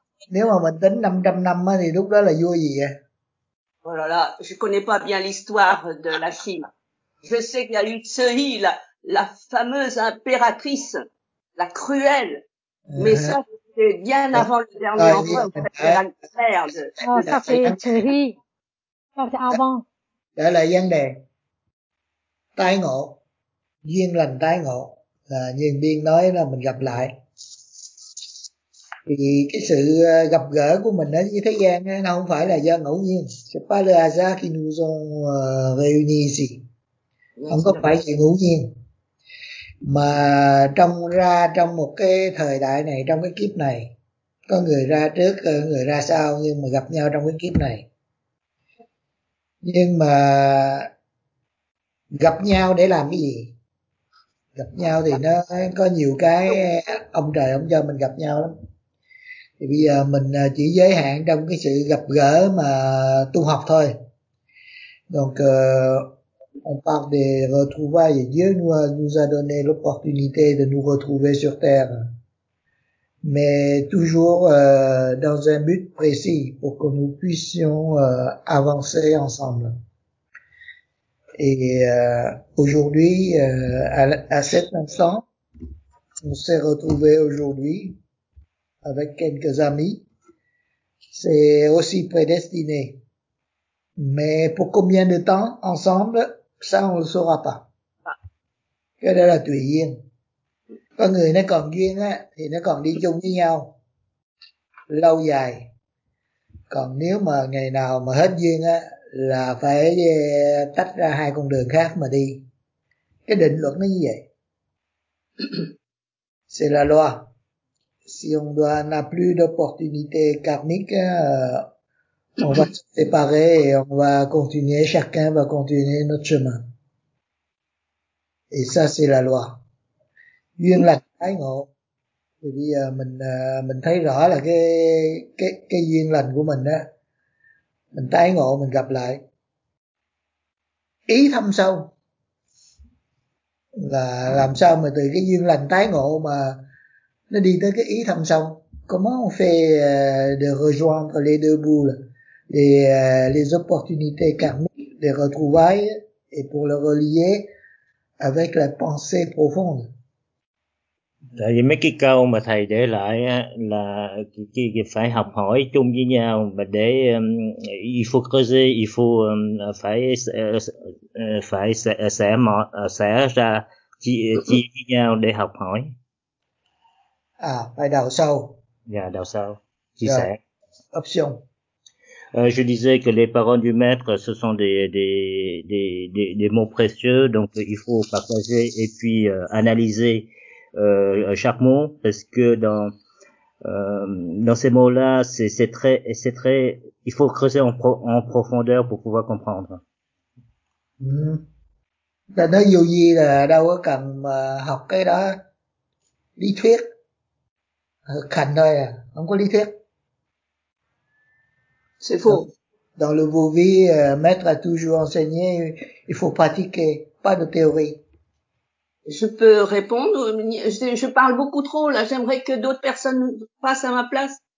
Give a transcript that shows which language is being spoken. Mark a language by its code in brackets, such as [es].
[vi] Nếu mà mình tính 500 năm thì lúc đó là vua gì vậy? [fr] Oh là là, je connais pas bien l'histoire de la Chine. Je sais qu'il y a eu Tsehi, la fameuse impératrice, la cruelle. Mais ça, c'était bien avant le dernier empereur, c'était la guerre. Oh, ça fait Tsehi. Ça, c'est avant. [vi] Đó là vấn đề tái ngộ, duyên lành tái ngộ là như Biên nói là mình gặp lại. Thì cái sự gặp gỡ của mình ở thế gian nó không phải là do ngẫu nhiên. [fr] C'est pas le hasard qui nous ont réunis ici. [vi] Không có phải chuyện ngẫu nhiên. Mà trong một cái thời đại này, trong cái kiếp này, có người ra trước, có người ra sau, nhưng mà gặp nhau trong cái kiếp này. Nhưng mà gặp nhau để làm cái gì? Gặp nhau thì nó có nhiều cái ông trời ông cho mình gặp nhau lắm. Thì bây giờ mình chỉ giới hạn trong cái sự gặp gỡ mà tu học thôi. [fr] Donc on parle des retrouvailles. Dieu nous a donné l'opportunité de nous retrouver sur terre. Mais toujours dans un but précis pour que nous puissions avancer ensemble. Et aujourd'hui, à cet instant, on s'est retrouvé aujourd'hui avec quelques amis. C'est aussi prédestiné. Mais pour combien de temps ensemble, ça on ne le saura pas. Quelle est la tuyenne? [vi] Có người nó còn duyên á thì nó còn đi chung với nhau lâu dài, còn nếu mà ngày nào mà hết duyên á là phải tách ra hai con đường khác mà đi. Cái định luật nó như vậy. [fr] C'est la loi. Si on n'a plus d'opportunité karmique, on va se séparer et on va continuer, chacun va continuer notre chemin. Et ça c'est la loi. [vi] Duyên lành tái ngộ. Thì bây giờ mình thấy rõ là cái duyên lành của mình á, mình tái ngộ, mình gặp lại. Ý thâm sâu là làm sao mà từ cái duyên lành tái ngộ mà nó đi tới cái ý thâm sâu. [fr] Comment on fait de rejoindre les deux bouts là les opportunités karmiques, les retrouvailles et pour le relier avec la pensée profonde. [vi] Tại vì mấy cái câu mà thầy để lại là phải học hỏi chung với nhau và để [fr] il faut creuser, [vi] phải sẽ ra chi với nhau để học hỏi. À, phải đào sâu. Dạ, đào sâu, chia sẻ. Option. [fr] Je disais que les paroles du maître, ce sont des mots précieux, donc il faut partager et puis analyser chaque mot, parce que dans ces mots-là, c'est très, il faut creuser en profondeur pour pouvoir comprendre. [vi] Ta nói vô vi là đâu có cần mà học cái đó lý thuyết, thực hành thôi à, không có lý thuyết. [fr] C'est faux. Dans le vos vies, maître a toujours enseigné, il faut pratiquer, pas de théorie. Je peux répondre, je parle beaucoup trop là, j'aimerais que d'autres personnes passent à ma place.